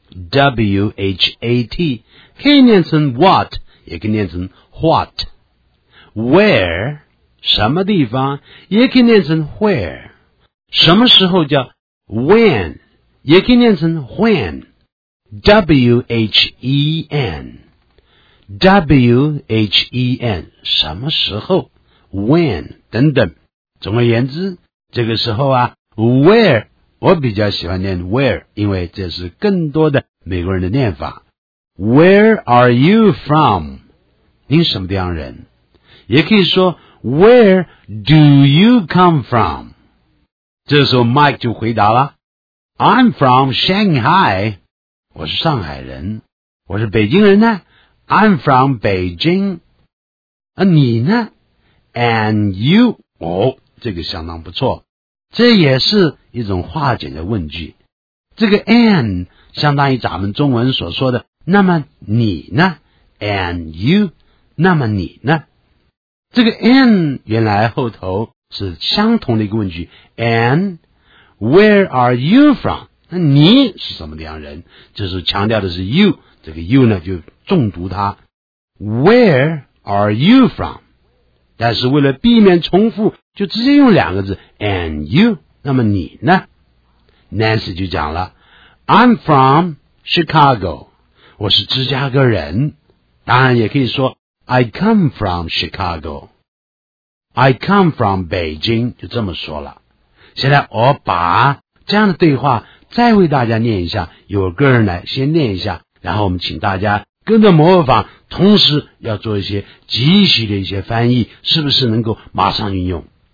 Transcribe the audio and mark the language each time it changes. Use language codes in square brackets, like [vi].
[zh] w-h-a-t 可以念成 what 也可以念成 what， where 什么地方也可以念成 where， 什么时候叫 when也可以念成 when， W-H-E-N， W-H-E-N， 什么时候， when， 等等。总而言之，这个时候啊， where， 我比较喜欢念 where， 因为这是更多的美国人的念法。 [en] Where are you from？ [zh] 您什么地方人？也可以说 [en] Where do you come from？ [zh] 这时候 Mike 就回答了， [en] I'm from Shanghai, [zh] 我是上海人。我是北京人呢， [en] I'm from Beijing。 [zh] 你呢？ [en] And you， [zh] 哦，这个相当不错，这也是一种化简的问句。这个 and 相当于咱们中文所说的那么你呢， [en] And you， [zh] 那么你呢。这个 and 原来后头是相同的一个问句， [en] andWhere are you from? [zh] 那你是什么样人？这是强调的是 you， 这个 you 呢就重读它。 [en] Where are you from? [zh] 但是为了避免重复，就直接用两个字 [en] and you， [zh] 那么你呢？ Nancy 就讲了， [en] I'm from Chicago， [zh] 我是芝加哥人。当然也可以说 [en] I come from Chicago， I come from Beijing， [zh] 就这么说了。现在我把这样的对话再为大家念一下，由我个人来先念一下，然后我们请大家跟着模仿，同时要做一些即席的一些翻译，是不是能够马上运用？